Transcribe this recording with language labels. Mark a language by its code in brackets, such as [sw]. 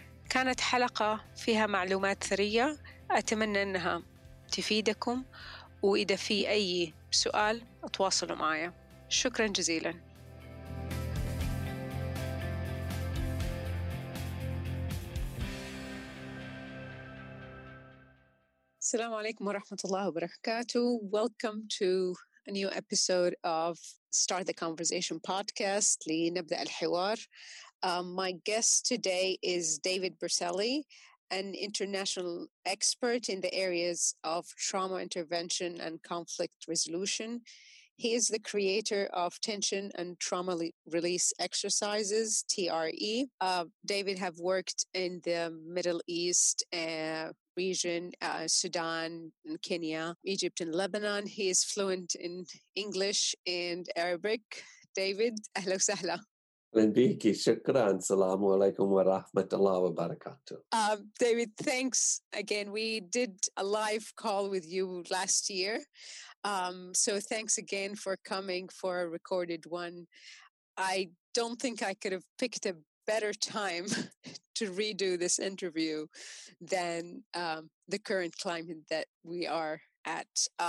[ar] كانت حلقة فيها معلومات ثرية، أتمنى أنها تفيدكم، وإذا في أي سؤال تواصلوا معايا. شكرا جزيلا. السلام عليكم ورحمة الله وبركاته. [en] Welcome to a new episode of Start the Conversation podcast. [ar] لنبدأ الحوار. [en] My guest today is David Bersalli, an international expert in the areas of trauma intervention and conflict resolution. He is the creator of Tension and Trauma Release Exercises, TRE. David have worked in the Middle East region, Sudan and Kenya, Egypt and Lebanon. He is fluent in English and Arabic. [ar] David, أهلا وسهلا. لنبيكي شكرا. السلام عليكم ورحمة الله وبركاته. [en] David, thanks again. We did a live call with you last year. So thanks again for coming for a recorded one. I don't think I could have picked a better time to redo this interview than the current climate that we are at.